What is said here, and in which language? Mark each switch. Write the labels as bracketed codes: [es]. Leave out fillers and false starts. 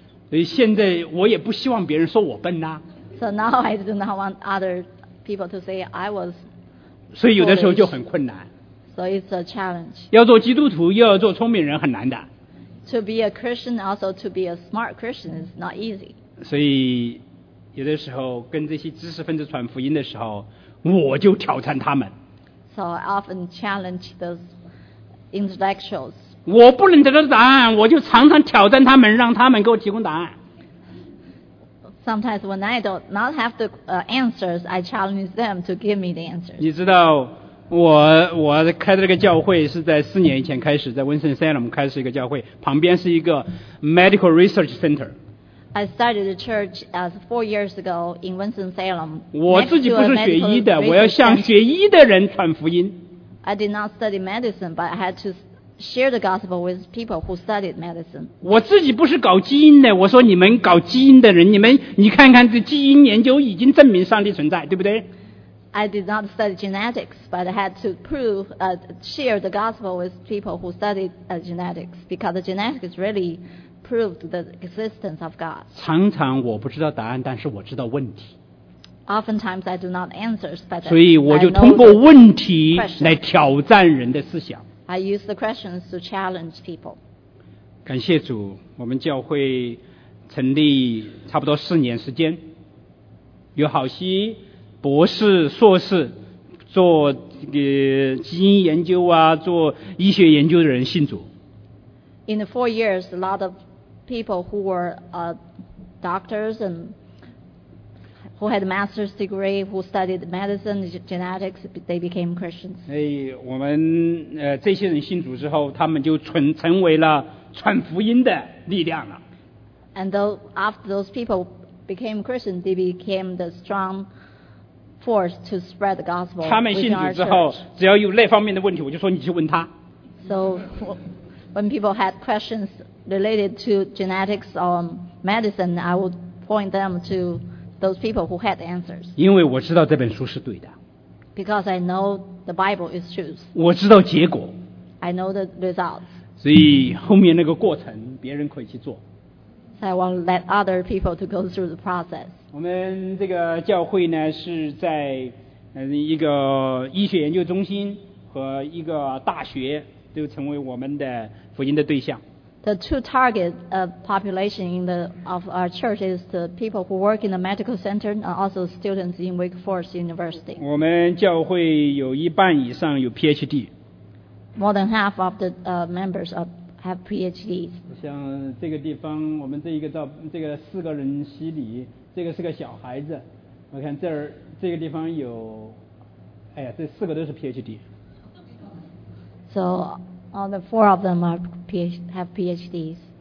[zh] 所以现在我也不希望别人说我笨呐。 [en] So now I do not want other people to say I was. [zh] 所以有的时候就很困难。 [en] So it's a challenge. [zh] 要做基督徒又要做聪明人很难的。 [en] To be a Christian, also to be a smart Christian is not easy. [zh] 所以有的时候跟这些知识分子传福音的时候，我就挑战他们。 [en] So I often challenge those intellectuals. [zh] 我不能得到答案，我就常常挑战他们，让他们给我提供答案。 [en] Sometimes when I don't not have the answers, I challenge them to give me the answers. [zh] 你知道我开的这个教会是在四年以前开始，在温森塞勒姆开始一个教会，旁边是一个 [en] medical research center。 I started the church as 4 years ago in Winston-Salem. [zh] 我自己不是学医的，我要向学医的人传福音。 [en] I did not study medicine, but I had to share the gospel with people who studied medicine. [zh] 我自己不是搞基因的，我说你们搞基因的人，你看看这基因研究已经证明上帝存在，对不对？ [en] I did not study genetics, but I had to share the gospel with people who studied genetics, because the genetics is really proved the existence of God. [zh] 常常我不知道答案，但是我知道问题。 [en] Oftentimes I do not answers, but I know the question. [zh] 所以我就通过问题来挑战人的思想。 [en] I use the questions to challenge people. [zh] 感谢主，我们教会成立差不多4年时间，有好些博士、硕士做基因研究啊，做医学研究的人信主。 [en] In the 4 years, a lot of people who were doctors and who had a master's degree, who studied medicine, genetics, they became Christians. [zh] 我们这些人信主之后，他们就成为了传福音的力量了。 [en] And though after those people became Christians, they became the strong force to spread the gospel. [zh] 他们信主之后，只要有那方面的问题，我就说你去问他。 [en] So. When people had questions related to genetics or medicine, I would point them to those people who had answers. [zh] 因为我知道这本书是对的。 [en] Because I know the Bible is truth. [zh] 我知道结果。 [en] I know the results. [zh] 所以后面那个过程别人可以去做。 [en] So I want to let other people to go through the process. [zh] 我们这个教会呢是在一个医学研究中心和一个大学。就成为我们的福音的对象。 [en] The two target population of our church is the people who work in the medical center and also students in Wake Forest University. [zh] 我们教会有一半以上有 PhD。 [en] More than half of the members have PhDs. [zh] 像这个地方，我们这个四个人洗礼，这个是个小孩子。我看这个地方有，这四个都是 PhD。 [en] So all the four of them have PhDs.